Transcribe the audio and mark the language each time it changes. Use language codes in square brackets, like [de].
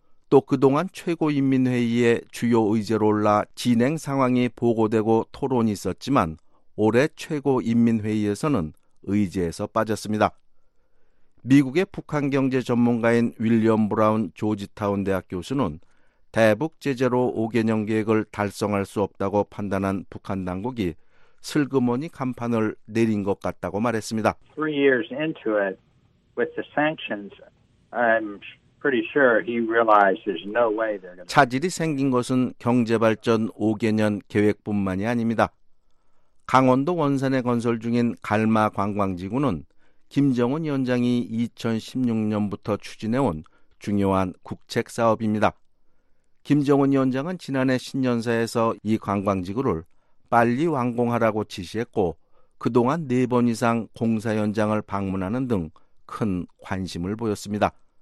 [ko] 또 그동안 최고인민회의의 주요 의제로 올라 진행 상황이 보고되고 토론이 있었지만 올해 최고인민회의에서는 의제에서 빠졌습니다. 미국의 북한 경제 전문가인 윌리엄 브라운 조지타운 대학 교수는 대북 제재로 5개년 계획을 달성할 수 없다고 판단한 북한 당국이 슬그머니 간판을 내린 것 같다고 말했습니다. [en] 3 years into it with the sanctions, I'm pretty sure he realized there's no way they're going. [ko] 차질이 생긴 것은 경제 발전 5개년 계획뿐만이 아닙니다. 강원도 원산에 건설 중인 갈마 관광지구는 김정은 위원장이 2016년부터 추진해온 중요한 국책 사업입니다. 김정은 위원장은 지난해 신년사에서 이 관광지구를 빨리 완공하라고 지시했고 그동안 4번 이상 공사 현장을 방문하는 등 큰 관심을 보였습니다.